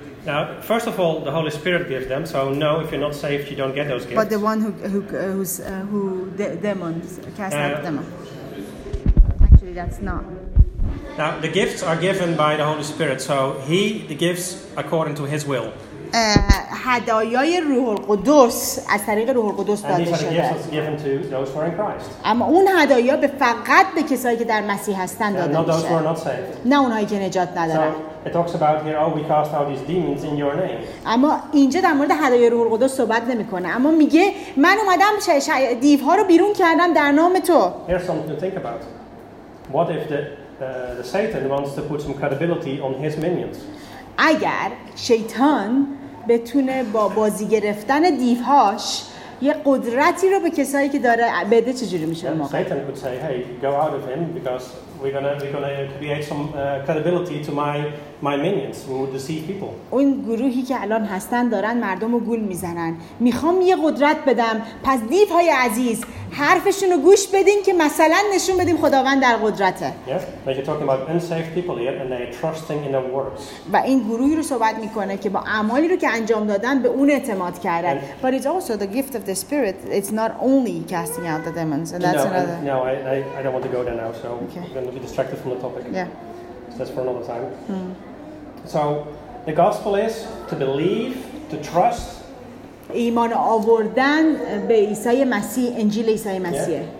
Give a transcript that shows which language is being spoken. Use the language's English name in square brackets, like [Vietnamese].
[English] Now, first of all, the Holy Spirit gives them. So no, if you're not saved, you don't get those gifts. But the one who demons cast out the demon. That's not. Now the gifts are given by the Holy Spirit, so He the gifts according to His will. [Persian] هدایای روح القدس از طریق روح القدس داده شده. [English] And these are the gifts given to those who are in Christ. [Persian] اما اون هدایا به فقط به کسایی که در مسیح هستند داده میشه. [English] Not those who are not saved. [Persian] نه اونایی که نجات ندارن. [English] It talks about here, oh, we cast out these demons in your name. [Persian] اما اینجا در مورد هدایای روح القدس صحبت نمیکنه. اما میگه من اومدم دیوها رو بیرون کردم در نام تو. [English] Here's something to think about. What if the Satan wants to put some credibility on his minions? [Persian] اگر شیطان بتونه با بازی گرفتن دیوهاش یه قدرتی رو به کسایی که داره بده چجوری میشه موقع؟ [English] Satan could say, "Hey, go out of him because we're gonna create some credibility to my minions who would deceive people." [Persian] اون گروهی که الان هستن دارن مردم رو گول میزنن. میخوام یه قدرت بدم. پس دیوهای عزیز حرفشون رو گوش بدین که مثلا نشون بدیم خداوند در قدرته. [English] Yeah, you're talking about unsaved people here and they're trusting in their works. [Persian] و این گروهی رو صحبت میکنه که با اعمالی رو که انجام دادن به اون اعتماد کردن. [English] But it's also the gift of the Spirit. It's not only casting out the demons. And that's another. No, I don't want to go there now. So okay. going to be distracted from the topic. Yeah. That's for another time. Mm. So, the gospel is to believe, to trust. [Persian] ایمان آوردن به عیسی مسیح، انجیل عیسی مسیح.